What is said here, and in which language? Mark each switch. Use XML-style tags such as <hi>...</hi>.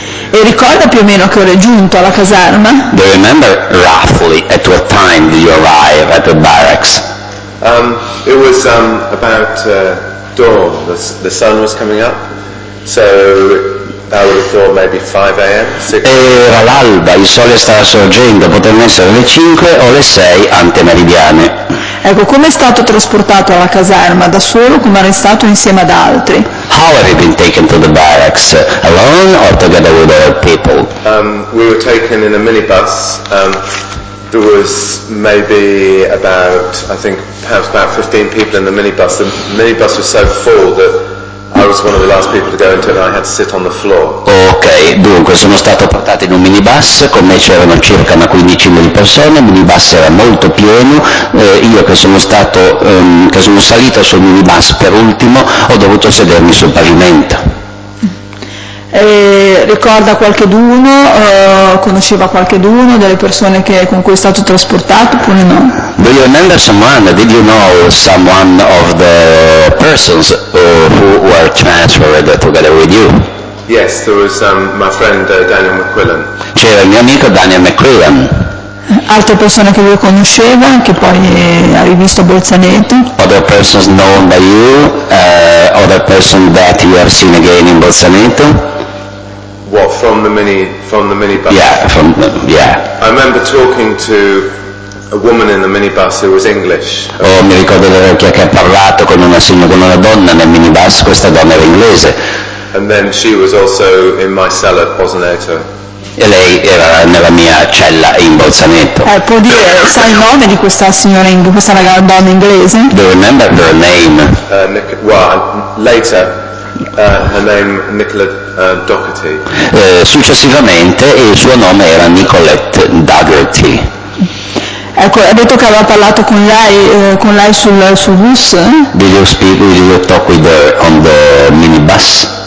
<it>E ricorda più o meno che ora è giunto alla caserma?</it> <en>Do you remember roughly at what time did you arrive at the barracks? It was about dawn. The sun was coming up, so.</en> <it>Era l'alba, il sole stava sorgendo, potevano essere le 5 o le 6 antemeridiane. Ecco, come è stato trasportato alla caserma? Da solo, come era stato insieme ad altri?</it> <en>How have you been taken to the barracks? Alone or together with other people? We were taken in a minibus. There was maybe about, I think, perhaps about 15 people in the minibus. The minibus was so full that I was one of the last people to go into it and I had to sit on the floor.</en> <it>Ok, dunque sono stato portato in un minibus, con me c'erano circa una quindicina di persone, il minibus era molto pieno, io che sono stato che sono salito sul minibus per ultimo ho dovuto sedermi sul pavimento. Ricorda qualcheduno, conosceva qualcheduno delle persone che, con cui è stato trasportato oppure no?</it> <en>Do you remember someone? Did you know someone of the persons who were transferred together with you? Yes, there was my friend Daniel McQuillan.</en> <it>C'era il mio amico Daniel McQuillan. Altre persone che lui conosceva, che poi ha rivisto a Bolzaneto.</it> <en>Other persons known by you, other person that you have seen again in Bolzaneto. What, from the minibus? Yeah. I remember talking to a woman in the minibus who was English.</en> <it>Oh, mi ricordo di aver parlato con una donna nel minibus, questa donna era inglese.</it> <en>And then she was also in my cell at Bolzaneto.</en> <it>E lei era nella mia cella in Bolzaneto. Può dire, sa il nome di questa signora, di questa ragazza, donna inglese?</it> <en>Do you remember her name? Her name Nicola Doherty.</en> <it>Successivamente il suo nome era Nicolette Doherty. Ecco, ha detto che aveva parlato con lei sul bus.</it> <en>Did you speak? Did you talk with her on the minibus?</en>